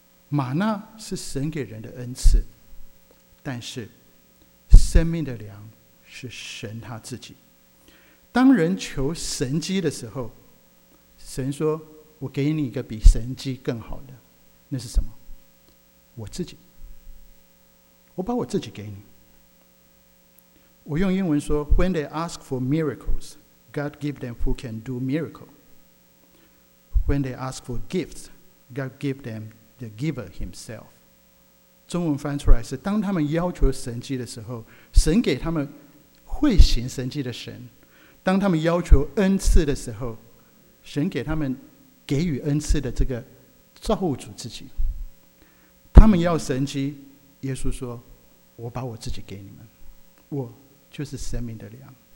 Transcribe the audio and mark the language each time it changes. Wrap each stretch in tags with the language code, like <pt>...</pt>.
<zh>玛纳是神给人的恩赐，但是生命的粮是神他自己。当人求神迹的时候，神说，我给你一个比神迹更好的，那是什么？我自己，我把我自己给你。我用英文说，</zh> <en>When they ask for miracles, God give them who can do miracle. When they ask for gifts, God give them the giver himself.</en> <zh>中文翻出来是，当他们要求神迹的时候，神给他们会行神迹的神；当他们要求恩赐的时候，神给他们给予恩赐的这个造物主自己。他们要神迹，耶稣说，我把我自己给你们，我就是生命的粮。</zh>